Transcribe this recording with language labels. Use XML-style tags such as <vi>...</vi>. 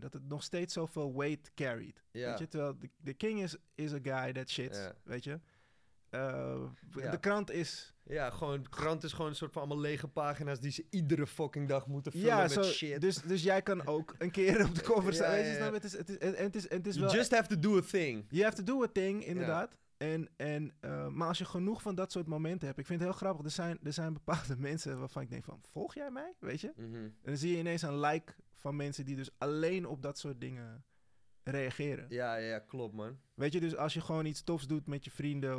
<nl>Dat het nog steeds zoveel</nl> <en>weight carried.</en> <nl>Ja. Weet je? Terwijl de king</nl> <en>is a guy that shits,</en> <nl>ja. Weet je? De krant is... Ja, gewoon de krant is gewoon een soort van allemaal lege pagina's... die ze iedere fucking dag moeten vullen met shit. Dus jij kan ook een keer op de cover staan.</nl> <en>You just have to do a thing. You have to do a thing,</en> <nl>inderdaad. Ja. Maar als je genoeg van dat soort momenten hebt... Ik vind het heel grappig. Er zijn bepaalde mensen waarvan ik denk van... Volg jij mij? Weet je? Mm-hmm. En dan zie je ineens een like van mensen... die dus alleen op dat soort dingen reageren. Ja, klopt, man. Weet je, dus als je gewoon iets tofs doet met je vrienden...</nl>